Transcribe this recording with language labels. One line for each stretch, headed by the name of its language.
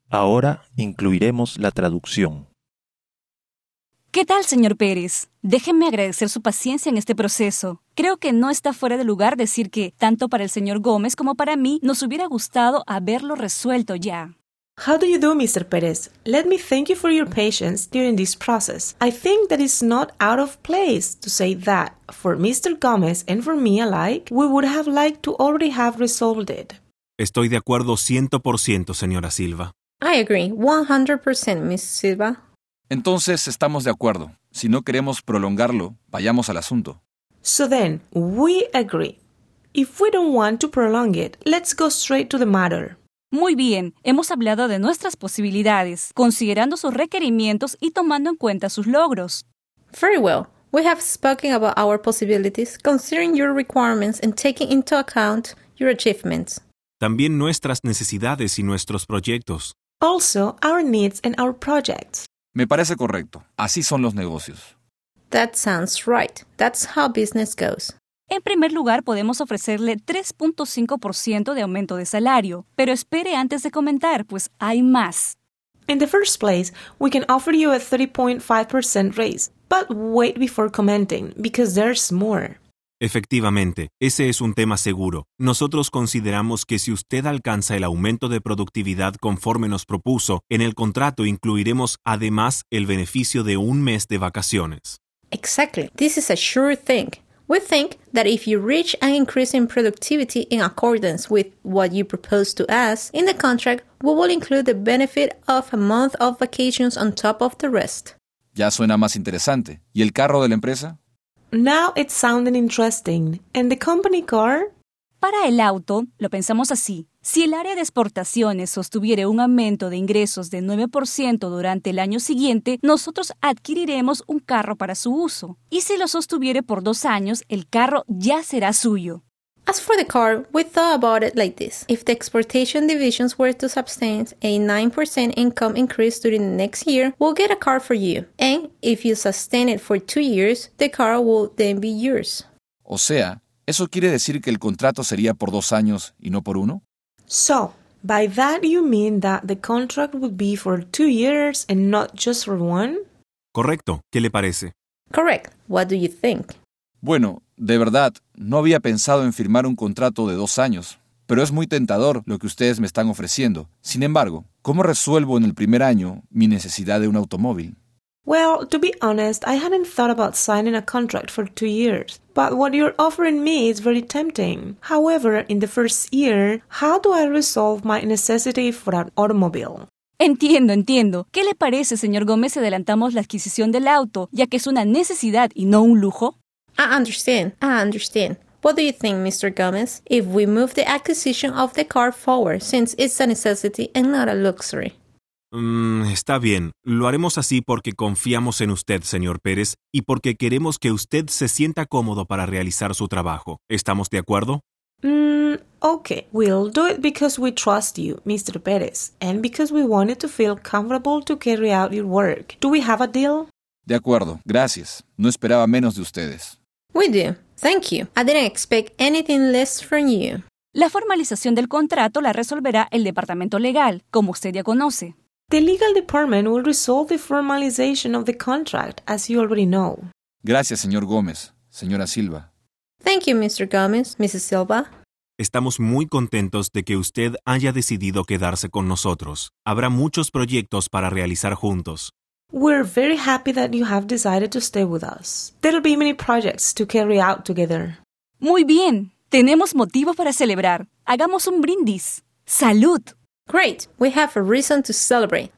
Spanish: Ahora incluiremos la traducción. ¿Qué tal, señor Pérez? Déjenme agradecer su paciencia en este proceso. Creo que no está fuera de lugar decir que, tanto para el señor Gómez como para mí, nos hubiera gustado haberlo resuelto ya.
English: How do you do, Mr. Pérez? Let me thank you for your patience during this process. I think that it's not out of place to say that, for Mr. Gómez and for me alike, we would have liked to already have resolved it.
Spanish: Estoy de acuerdo 100%, señora Silva.
English: I agree 100%, Ms. Silva.
Spanish: Entonces, estamos de acuerdo. Si no queremos prolongarlo, vayamos al asunto.
English: So then, we agree. If we don't want to prolong it, let's go straight to the matter.
Spanish: Muy bien, hemos hablado de nuestras posibilidades, considerando sus requerimientos y tomando en cuenta sus logros.
English: Very well. We have spoken about our possibilities, considering your requirements and taking into account your achievements.
Spanish: También nuestras necesidades y nuestros proyectos.
English: Also, our needs and our projects.
Spanish: Me parece correcto. Así son los negocios.
English: That sounds right. That's how business goes.
Spanish: En primer lugar, podemos ofrecerle 3.5% de aumento de salario. Pero espere antes de comentar, pues hay más.
English: In the first place, we can offer you a 3.5% raise. But wait before commenting, because there's more.
Spanish: Efectivamente, ese es un tema seguro. Nosotros consideramos que si usted alcanza el aumento de productividad conforme nos propuso, en el contrato incluiremos además el beneficio de un mes de vacaciones.
English: Exactly. This is a sure thing. We think that if you reach an increase in productivity in accordance with what you propose to us in the contract, we will include the benefit of a month of vacations on top of the rest.
Spanish: Ya suena más interesante. ¿Y el carro de la empresa?
English: Now it's sounding interesting. And the company car?
Spanish: Para el auto, lo pensamos así. Si el área de exportaciones sostuviera un aumento de ingresos de 9% durante el año siguiente, nosotros adquiriremos un carro para su uso. Y si lo sostuviera por 2 años, el carro ya será suyo.
English: As for the car, we thought about it like this. If the exportation divisions were to sustain a 9% income increase during the next year, we'll get a car for you. And if you sustain it for 2 years, the car will then be yours.
Spanish: O sea, ¿eso quiere decir que el contrato sería por 2 años y no por 1?
English: So, by that you mean that the contract would be for 2 years and not just for 1?
Spanish: Correcto. ¿Qué le parece?
English: Correct. What do you think?
Spanish: Bueno, de verdad, no había pensado en firmar un contrato de 2 años. Pero es muy tentador lo que ustedes me están ofreciendo. Sin embargo, ¿cómo resuelvo en el primer año mi necesidad de un automóvil?
English: Well, to be honest, I hadn't thought about signing a contract for 2 years. But what you're offering me is very tempting. However, in the first year, how do I resolve my necessity for an automobile?
Spanish: Entiendo, entiendo. ¿Qué le parece, señor Gómez, si adelantamos la adquisición del auto, ya que es una necesidad y no un lujo?
English: I understand. What do you think, Mr. Gomez, if we move the acquisition of the car forward, since it's a necessity and not a luxury?
Spanish: Está bien. Lo haremos así porque confiamos en usted, señor Pérez, y porque queremos que usted se sienta cómodo para realizar su trabajo. ¿Estamos de acuerdo?
English: Okay. We'll do it because we trust you, Mr. Pérez, and because we wanted to feel comfortable to carry out your work. Do we have a deal?
Spanish: De acuerdo. Gracias. No esperaba menos de ustedes.
English: We do. Thank you. I didn't expect anything less from you.
Spanish: La formalización del contrato la resolverá el departamento legal, como usted ya conoce.
English: The legal department will resolve the formalization of the contract, as you already know.
Spanish: Gracias, señor Gómez. Señora Silva.
English: Thank you, Mr. Gomez, Mrs. Silva.
Spanish: Estamos muy contentos de que usted haya decidido quedarse con nosotros. Habrá muchos proyectos para realizar juntos.
English: We're very happy that you have decided to stay with us. There'll be many projects to carry out together.
Spanish: Muy bien. Tenemos motivo para celebrar. Hagamos un brindis. ¡Salud!
English: Great. We have a reason to celebrate.